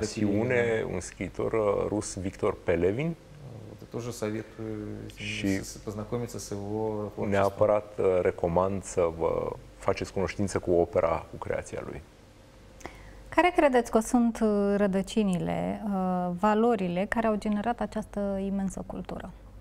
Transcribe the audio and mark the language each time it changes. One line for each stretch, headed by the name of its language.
Romanian: Пасиуне, un scriitor rus Victor Pelevin.
Russian: Тоже советую познакомиться с его творчеством.
Romanian: Neapărat recomand să vă faceți cunoștință cu opera, cu creația lui. Care credeți că sunt rădăcinile, valorile care au generat această imensă cultură?